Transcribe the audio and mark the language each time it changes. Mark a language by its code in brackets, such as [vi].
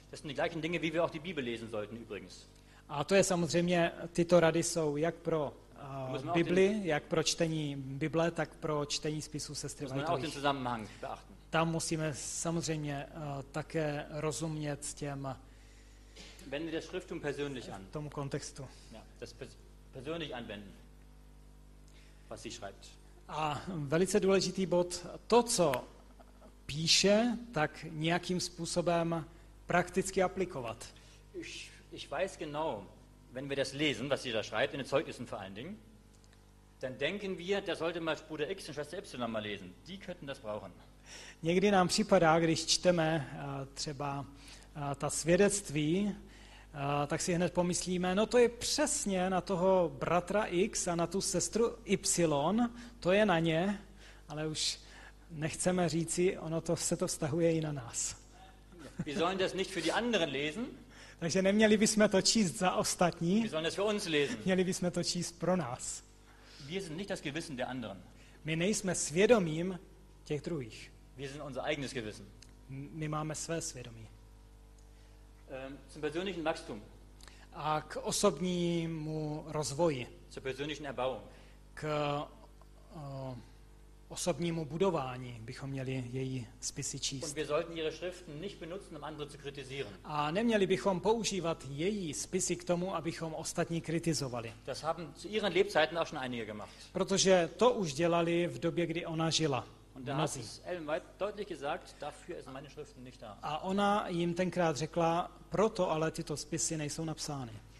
[de] Das sind die gleichen Dinge, wie wir auch die Bibel lesen sollten übrigens. [cs] A to je samozřejmě, tyto rady jsou jak pro Bibli, jak pro čtení Bible, tak pro čtení spisů sestry Vajtových. Tam musíme samozřejmě také rozumět těm [de] Wende das Schrifttum persönlich an. [cs] Tomu kontextu. [de] Ja, das persönlich anwenden, was sie schreibt. [cs] A velice důležitý bod, to, co píše, tak nějakým způsobem prakticky aplikovat. [de] Ich weiß genau, wenn wir das lesen, was sie da schreibt, in den Zeugnissen vor allen Dingen, dann denken wir, da sollte mal Bruder X und Schwester Y mal lesen. Die könnten das brauchen. [cs] Někdy nám připadá, když čteme třeba ta svědectví, tak si hned pomyslíme, no to je přesně na toho bratra X a na tu sestru Y, to je na ně, ale už nechceme říci, ono to se to vztahuje i na nás. [de] Wir sollen das nicht für die anderen lesen. [cs] Takže neměli bychom to číst za ostatní, [de] wir sollen das für uns lesen. [cs] Měli bychom to číst pro nás. [de] Wir sind nicht das Gewissen der anderen. [cs] My nejsme svědomím těch druhých. [de] Wir sind unser eigenes Gewissen. [cs] My máme své svědomí. [de] Zum persönlichen Wachstum. [cs] A k osobnímu rozvoji. [de] Zur persönlichen Erbauung. [cs] K osobnímu budování bychom měli její spisy číst. [de] Und wir sollten ihre Schriften nicht benutzen, um andere zu kritisieren. [cs] A neměli bychom používat její spisy k tomu, abychom ostatní kritizovali. [de] Das haben zu ihren Lebzeiten auch schon einige gemacht. [cs] Protože to už dělali v době, kdy ona žila. [de] Und da hat Ellen White deutlich gesagt, dafür sind meine Schriften nicht da. [cs] A ona jim tenkrát řekla, proto ale tyto spisy nejsou napsány.